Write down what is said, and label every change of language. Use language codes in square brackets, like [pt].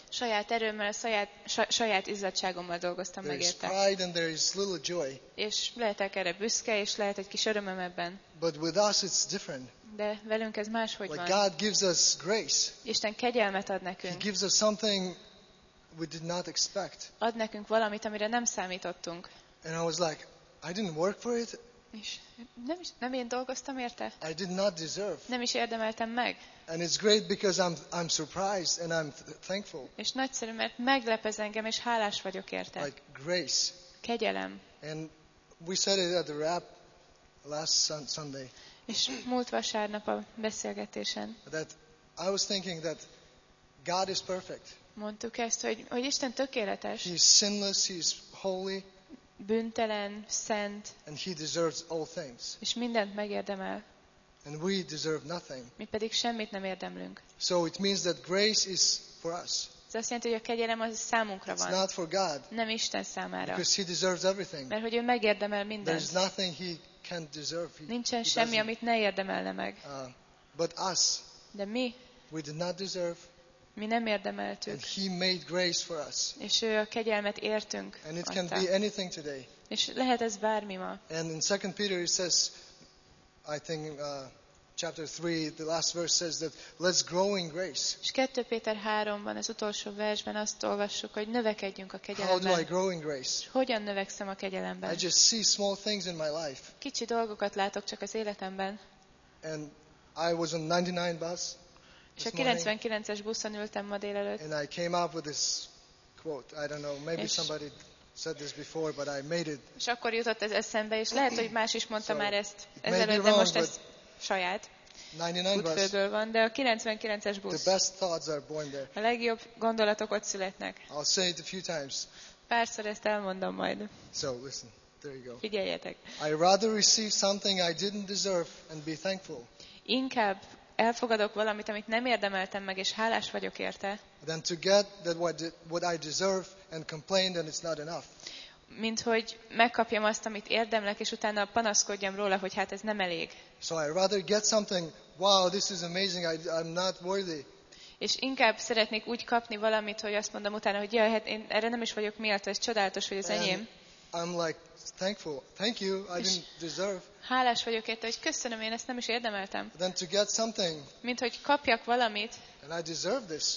[hu] Saját erőmmel, saját izzadságommal dolgoztam [en] there [hu] meg érte. [en] There is pride and there is little joy. [hu] És lehetek erre büszke, és lehet egy kis örömöm ebben. [en] But with us it's different. [hu] De velünk ez máshogy [en] like [hu] van. [en] God gives us grace. [hu] Isten kegyelmet ad nekünk. [en] He gives us something we did not expect. [hu] Ad nekünk valamit, amire nem számítottunk. [en] And I was like, I didn't work for it. [hu] Nem én dolgoztam érte. [en] I did not deserve. [hu] Nem is érdemeltem meg. [en] And it's great because I'm surprised and I'm thankful. [hu] És nagyszerű, mert meglepez engem, és hálás vagyok érte. [en] Like grace. [hu] Kegyelem. [en] And we said it at the wrap last Sunday. [hu] És múlt vasárnap a beszélgetésen. [en] That I was thinking that God is perfect. [hu] Mondtuk ezt, hogy Isten tökéletes. [en] He is sinless, he is holy. [hu] Bűntelen, szent. [en] And he deserves all things. [hu] És mindent megérdemel. [en] And we deserve nothing. [hu] Mi pedig semmit nem érdemlünk. [en] So it means that grace is for us. [hu] Ez azt jelenti, hogy a kegyelem az számunkra [en] it's [hu] van. [en] Not for God. [hu] Nem Isten számára. [en] Because he deserves everything. [hu] Mert hogy ő megérdemel mindent. [en] There is nothing he can't deserve. [hu] Nincsen semmi, amit ne érdemelne meg. [en] But us. [hu] De mi? [en] We did not deserve. [hu] Mi nem érdemeltük. [en] And he made grace for us. [hu] És ő a kegyelmet értünk. [en] And it can be anything today. [hu] És lehet ez bármi ma. [en] And in 2 Peter it says, I think chapter 3, the last verse says that let's grow in grace. [hu] És 2 Péter 3-ban, az utolsó versben azt olvassuk, hogy növekedjünk a kegyelemben. [en] How do I grow in grace? [hu] Hogyan növekszem a kegyelemben? [en] I just see small things in my life. [hu] Kicsi dolgokat látok csak az életemben. [en] And I was on 99 bus. [hu] És a 99-es buszon ültem ma délelőtt. [en] And I came up with this quote. I don't know, maybe somebody said this before, but I made it. [hu] És akkor jutott ez eszembe, és lehet, hogy más is mondta már ezt ezelőtt, de most ez saját. [en] 99 bus. [hu] Van, de a 99-es busz. [en] The best thoughts are born there. [hu] A legjobb gondolatok ott születnek. [en] I'll say it a few times. [hu] Párszor ezt elmondom majd. [en] So listen, there you go. [hu] Figyeljetek. [en] I rather receive something I didn't deserve and be thankful. [hu] Inkább elfogadok valamit, amit nem érdemeltem meg, és hálás vagyok érte. [en] Then to get that what I deserve and complain and it's not enough. [hu] Mint hogy megkapjam azt, amit érdemlek, és utána panaszkodjam róla, hogy hát ez nem elég. [en] So I rather get something, wow, this is amazing, I'm not worthy. [hu] És inkább szeretnék úgy kapni valamit, hogy azt mondom utána, hogy jaj, hát én erre nem is vagyok méltó, ez csodálatos, hogy az enyém. [en] I'm like thankful. Thank you. I didn't deserve. [hu] Hálás vagyok érte, hogy köszönöm, én ezt nem is érdemeltem. [en] Then to get something. [hu] Mint hogy kapjak valamit. [en] And I deserve this.